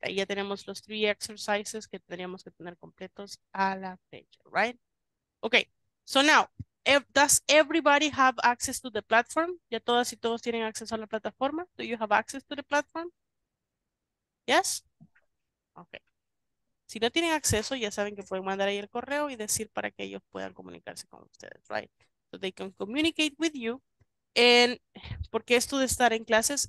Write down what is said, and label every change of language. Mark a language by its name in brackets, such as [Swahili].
[Spanish] Ahí ya tenemos los [English] three exercises [Spanish] que tendríamos que tener completos a la fecha, [English] right? Ok. So now, does everybody have access to the platform? [Spanish] ¿Ya todas y todos tienen acceso a la plataforma? [English] Do you have access to the platform? Yes? Ok. [Spanish] Si no tienen acceso, ya saben que pueden mandar ahí el correo y decir para que ellos puedan comunicarse con ustedes, [English] right? So they can communicate with you. And, [Spanish] ¿por qué esto de estar en clases?